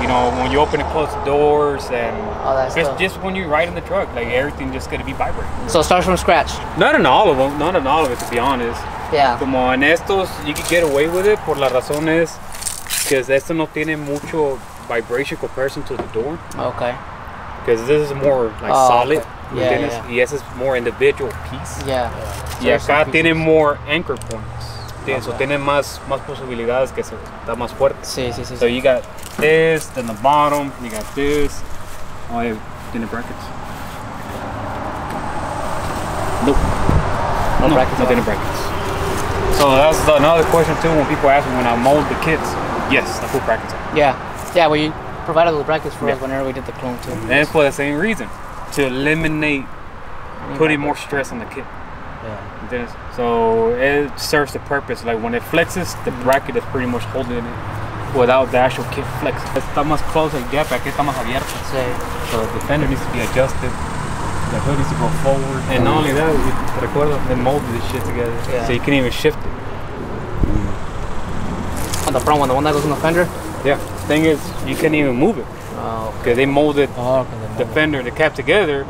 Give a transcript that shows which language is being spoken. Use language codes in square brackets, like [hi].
[en] You know, when you open and close doors and all that stuff. Just when you ride in the truck, like everything just gonna be vibrating. So it starts from scratch. Not in all of them. Not in all of it, to be honest. Yeah. [es] Como en estos, [en] you can get away with it [es] por las razones. [en] Because [es] esto no tiene mucho [en] vibration comparison to the door. Okay. Because this is more like solid. Okay. Yeah, yeah. [es] Y ese es [en] more individual piece. Yeah. Yeah. [es] Y acá tiene [en] more anchor points. Okay. [es] So tiene más posibilidades que se da más fuerte. Sí, sí, sí. [en] So [es] sí. [en] You got this, then the bottom, you got this. Oh, yeah. [es] Tiene [en] brackets. Nope. No brackets. [es] No tiene brackets. [en] So that's another question too when people ask me when I mold the kits. Yes, I put brackets on. Yeah. Yeah, well, you provided those brackets for us whenever we did the clone too. And for the same reason. To eliminate putting more stress on the kit. Yeah. So it serves the purpose. Like when it flexes, the bracket is pretty much holding it without the actual kit flexing. [es] Está más [en] close [es] el [en] gap, [es] aquí está más abierto. [en] So the fender needs to be adjusted. The hood needs to go forward. And not only that, you [es] recuerdo, [en] they molded this shit together. Yeah. So you can't even shift it. On the front one, the one that goes on the fender? Yeah. Thing is, you can't even move it. Oh, okay. Because they molded the fender and the cap together.